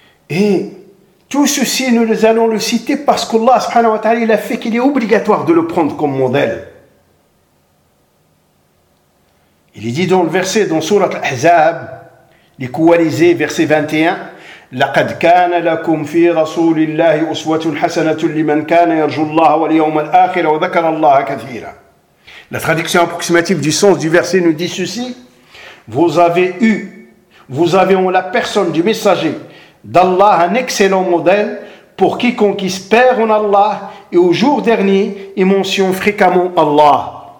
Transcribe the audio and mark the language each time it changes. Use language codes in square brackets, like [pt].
[fr] Et tout ceci, nous allons le citer parce qu'Allah subhanahu wa ta'ala, il a fait qu'il est obligatoire de le prendre comme modèle. Il est dit dans le verset, dans Sourate Al-Ahzab, les coalisés, verset 21. [ar] لقد كان لكم في رسول الله أسوة حسنة لمن كان يرجو الله واليوم الآخر وذكر الله كثيرا. [fr] La traduction approximative du sens du verset nous dit ceci: vous avez en la personne du messager d'Allah un excellent modèle pour quiconque espère en Allah et au jour dernier et mentionne fréquemment Allah.